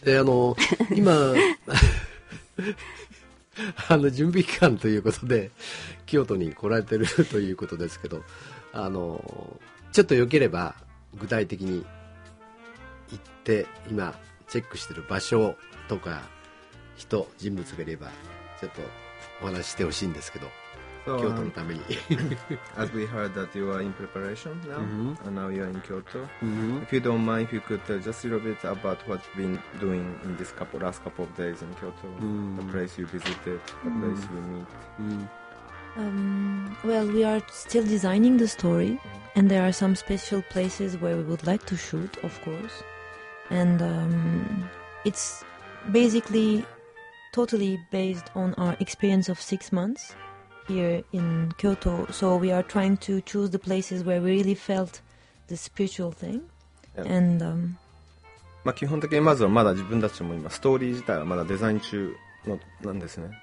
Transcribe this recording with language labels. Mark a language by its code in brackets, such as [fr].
[ja] で今準備期間ということで京都に来られてるということですけどちょっとよければ具体的に行って今チェックしてる場所とか人人物がいればちょっとお話してほしいんですけど、so, 京都のために [en] As we heard that you are in preparation now、mm-hmm. and now you are in Kyoto、mm-hmm. If you don't mind if you could tell just a little bit about what you've been doing in this couple, last couple of days in Kyoto、mm-hmm. the place you visited, the、mm-hmm. place you meet、 mm-hmm. Well, we are still designing the story and there are some special places where we would like to shoot, of course and、it's basically totally based on our experience of 6 months here in Kyoto, so we are trying to choose the places where we really felt the spiritual thing、yeah. and、 [ja] まあ基本的にまずはまだ自分たちも今ストーリー自体はまだデザイン中のなんですね。